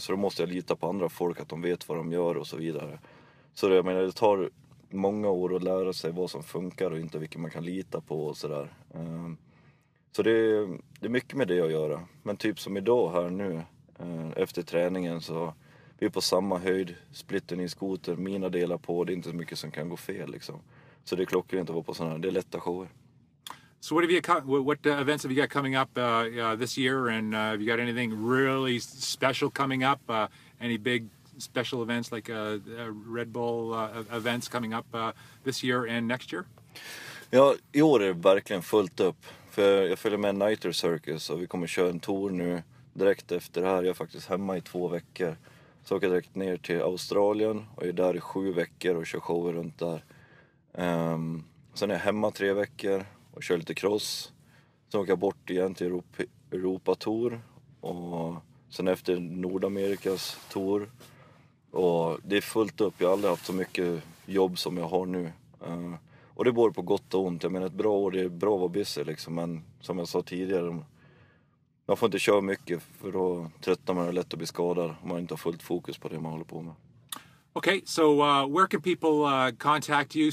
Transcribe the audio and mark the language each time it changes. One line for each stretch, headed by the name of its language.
Swedish: Så då måste jag lita på andra folk att de vet vad de gör och så vidare. Så det, jag menar, det tar många år att lära sig vad som funkar och inte vilket man kan lita på och sådär. Så det är mycket med det att göra. Men typ som idag här nu, efter träningen, så vi är på samma höjd. Splitten i skoter, mina delar på. Det är inte så mycket som kan gå fel liksom. Så det klockar inte att vara på sådana här. Det är lätta shower.
English: So what have you what events have you got coming up this year, and have you got anything really special coming up? Any big special events like Red Bull events coming up this year and next year?
Swedish: Ja, i år är det verkligen fullt upp, för jag följer med Nitro Circus och vi kommer köra en tour nu direkt efter det här. Jag är faktiskt hemma i 2 veckor, så åker jag direkt ner till Australien och är där i 7 veckor och kör show runt där. Sen är jag hemma 3 veckor. Och kör lite cross. Sen åker jag bort igen till Europa-tour. Och sen efter Nordamerikas tour. Och det är fullt upp. Jag har aldrig haft så mycket jobb som jag har nu. Och det beror på gott och ont. Jag menar, ett bra år, det är bra att vara busy liksom. Men som jag sa tidigare, man får inte köra mycket. För då tröttnar man, är lätt att bli skadad. Om man inte har fullt fokus på det man håller på med.
English: Okay, so where can people contact you?